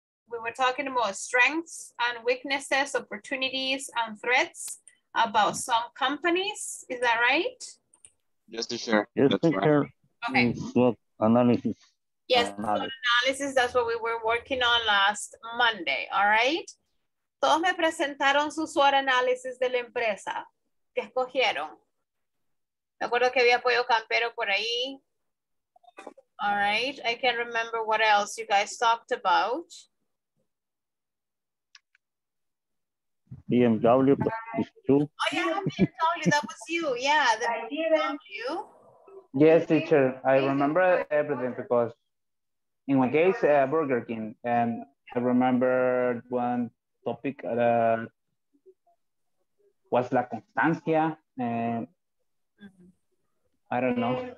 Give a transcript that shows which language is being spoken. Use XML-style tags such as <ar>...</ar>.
<en>We were talking about strengths and weaknesses, opportunities and threats about some companies. Is that right? Yes, sir. Yes, sir. Okay. SWOT analysis. Yes, analysis, that's what we were working on last Monday, all right?</en> <es>Todos me presentaron su SWOT analysis de la empresa que escogieron. Me acuerdo que había apoyo campero por ahí.</es> <en>All right, I can't remember what else you guys talked about. BMW. Oh yeah, BMW, that was you, yeah. The BMW. Yes, teacher, I remember everything because in my case, Burger King, and I remember one topic that was la constancia, and I don't know.</en>